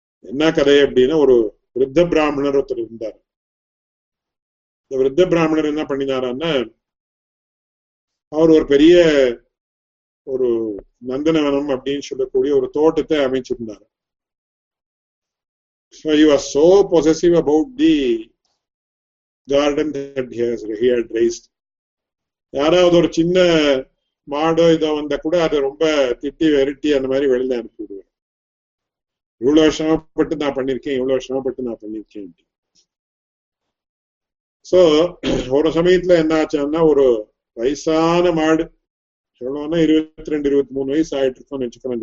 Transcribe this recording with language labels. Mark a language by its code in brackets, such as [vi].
[ta] என்ன கதை அப்படின்னா, ஒரு விருத்த பிராமணர் ஒருத்தர் இருந்தார். இந்த விருத்த பிராமணர் என்ன பண்ணினாரான்னா, அவர் ஒரு பெரிய ஒரு நந்தனவனம் அப்படின்னு சொல்லக்கூடிய ஒரு தோட்டத்தை அமைச்சிருந்தார். [en] So he was so possessive about the garden that he had raised. [ta] யாராவது ஒரு சின்ன மாடோ இதோ வந்தா கூட அதை ரொம்ப திட்டி வெரட்டி அந்த மாதிரி வெளியில அனுப்பிவிடுவேன், இவ்வளவு வருஷமாப்பட்டு நான் பண்ணிருக்கேன், இவ்வளவு வருஷமாப்பட்டு நான் பண்ணிருக்கேன். சோ ஒரு சமயத்துல என்ன ஆச்சுன்னா, ஒரு வயசான மாடு சொல்லணும்னா 22-23 வயசு ஆயிட்டு இருக்கும்னு வச்சுக்கலாம்.